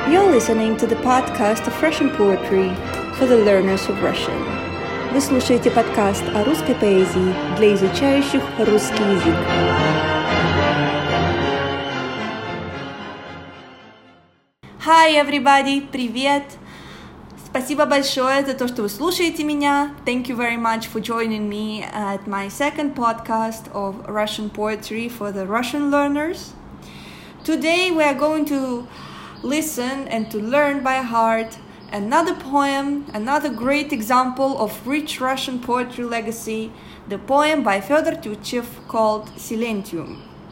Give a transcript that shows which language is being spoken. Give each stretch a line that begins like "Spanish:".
English: listening to the podcast of Russian Poetry for the Learners of Russian.
Russian: Вы слушаете подкаст о русской поэзии для изучающих русский язык.
English: Hi, everybody!
Russian: Привет! Спасибо большое за то, что вы слушаете меня.
English: Thank you very much for joining me at my second podcast of Russian Poetry for the Russian Learners. Today we are going to listen and to learn by heart another poem, another great example of rich Russian poetry legacy, the poem by Fyodor Tyutchev called Silentium.